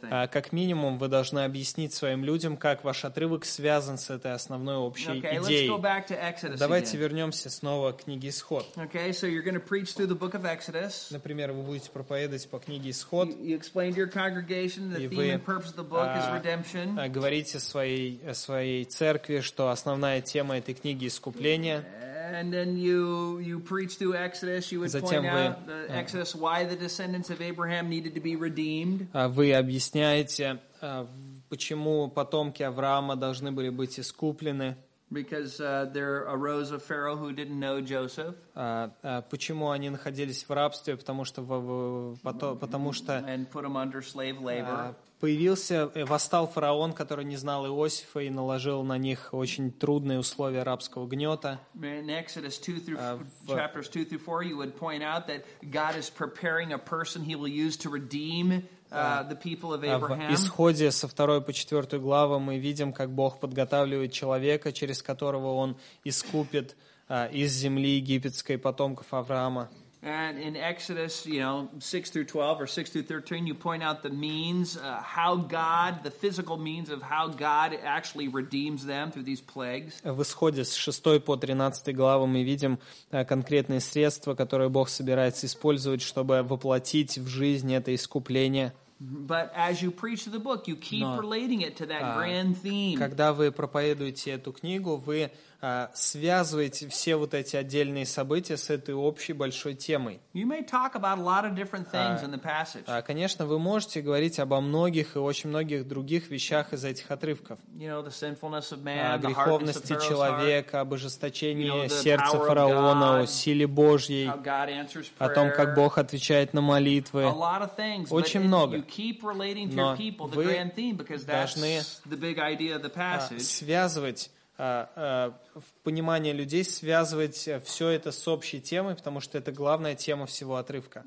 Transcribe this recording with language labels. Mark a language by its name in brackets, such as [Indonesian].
[Russian] как минимум вы должны объяснить своим людям, как ваш отрывок связан с этой основной общей идеей. [English] Let's go back to Exodus. [Russian] Давайте вернемся снова к книге Исход. [English] Okay, so you're going to preach through the book of Exodus. [Russian] Например, вы будете проповедовать по книге Исход. [English] You explained to your congregation the theme and purpose of the book is redemption. [Russian] Говорите своей церкви, что основная тема этой книги искупление. [English] And then you preach through Exodus. You would [Russian] Затем [English] point [Russian] вы, [English] out the Exodus why the descendants of Abraham needed to be redeemed. [Russian] Вы объясняете, почему потомки Авраама должны были быть искуплены. [English] Because there arose a Pharaoh who didn't know Joseph. [Russian] Почему они находились в рабстве? Потому что. [English] And put them under slave labor. [Russian] Появился, восстал фараон, который не знал Иосифа и наложил на них очень трудные условия рабского гнета. [English] In Exodus 2 through 4, you would point out that God is preparing a person he will use to redeem the people of Abraham. [Russian] В исходе со 2 по 4 главы мы видим, как Бог подготавливает человека, через которого он искупит из земли египетской потомков Авраама. [English] And in Exodus, you know, 6 through 12 or 6 through 13, you point out the means, how God, the physical means of how God actually redeems them through these plagues. [Russian] В Исходе с 6 по 13 главы мы видим конкретные средства, которые Бог собирается использовать, чтобы воплотить в жизнь это искупление. [English] But as you preach the book, you keep relating it to that grand theme. [Russian] Когда вы проповедуете эту книгу, вы связываете все вот эти отдельные события с этой общей большой темой. [English] You may talk about a lot of different things in the passage. [Russian] Конечно, вы можете говорить обо многих и очень многих других вещах из этих отрывков. [English] You know, the sinfulness of man, [Russian] о греховности человека, об ожесточении сердца фараона, о силе Божьей, [English] how God answers prayer, [Russian] о том, как Бог отвечает на молитвы. [English] A lot of things, [Russian] очень много. [English] You keep relating to your people the grand theme because that's the big idea of the passage. [Russian] Связывать в понимание людей связывать все это с общей темой, потому что это главная тема всего отрывка.